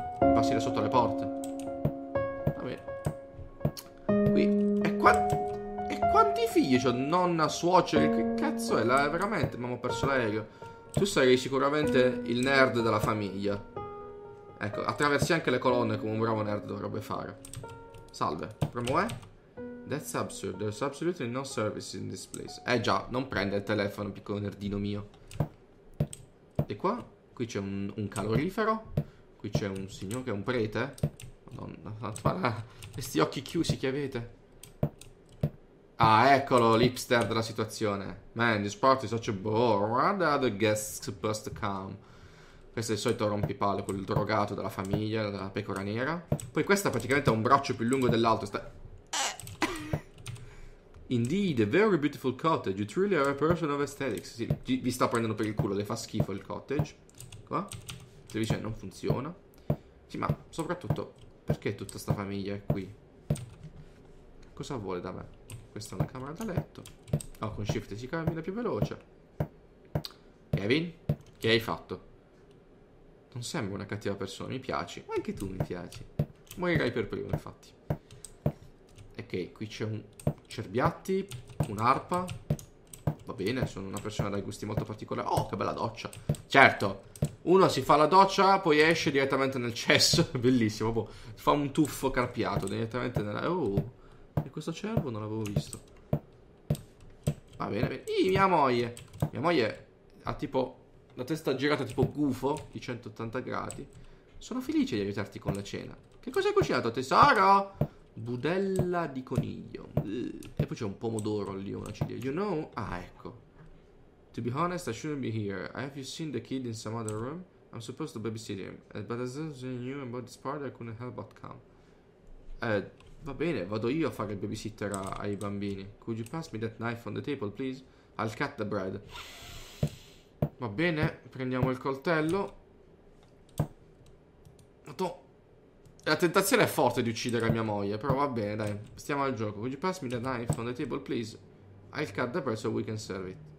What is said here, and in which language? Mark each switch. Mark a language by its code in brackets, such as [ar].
[it] Passi da sotto le porte. Va bene. Qui. E quanti figli? Cioè, nonna, suocera. Che cazzo è? Veramente, mamma, ho perso l'aereo. Tu sarai sicuramente il nerd della famiglia. Ecco, attraversi anche le colonne come un bravo nerd dovrebbe fare. Salve. Premo E. [en] That's absurd, there's absolutely no service in this place. [it] Eh già, non prende il telefono, piccolo nerdino mio. E qua? Qui c'è un calorifero. Qui c'è un signore, un prete. Madonna, questi occhi chiusi che avete. Ah, eccolo, l'hipster della situazione. [en] Man, this party is such a bore. Where are the other guests supposed to come? [it] Questo è il solito rompipale, quel drogato della famiglia, della pecora nera. Poi questa praticamente ha un braccio più lungo dell'altro, sta... [en] Indeed, a very beautiful cottage. It really are a person of aesthetics. [it] Sì, vi sta prendendo per il culo, le fa schifo il cottage. Qua? La televisione non funziona. Sì, ma soprattutto, perché tutta sta famiglia è qui? Cosa vuole da me? Questa è una camera da letto. Oh, con shift si cammina più veloce. Kevin, che hai fatto? Non sembra una cattiva persona, mi piaci. Anche tu mi piaci. Morirai per primo, infatti. Ok, qui c'è un... cerbiatti, un'arpa. Va bene, sono una persona dai gusti molto particolari. Oh, che bella doccia. Certo, uno si fa la doccia, poi esce direttamente nel cesso. Bellissimo, boh. Fa un tuffo carpiato direttamente nella... Oh, e questo cervo non l'avevo visto. Va bene, bene. Ehi, mia moglie. Mia moglie ha tipo la testa girata tipo gufo di 180 gradi. Sono felice di aiutarti con la cena. Che cosa hai cucinato, tesoro? Budella di coniglio. E poi c'è un pomodoro lì, una ciliegia. [en] You know? [it] Ah, ecco. [en] To be honest, I shouldn't be here. Have you seen the kid in some other room? I'm supposed to babysit him. But as soon as I knew about this party, I couldn't help but come. [it] Va bene, vado io a fare il babysitter ai bambini. [en] Could you pass me that knife on the table, please? I'll cut the bread. [it] Va bene, prendiamo il coltello. La tentazione è forte di uccidere mia moglie, però va bene, dai. Stiamo al gioco. [en] Could you pass me the knife on the table, please? I'll cut the bread so we can serve it.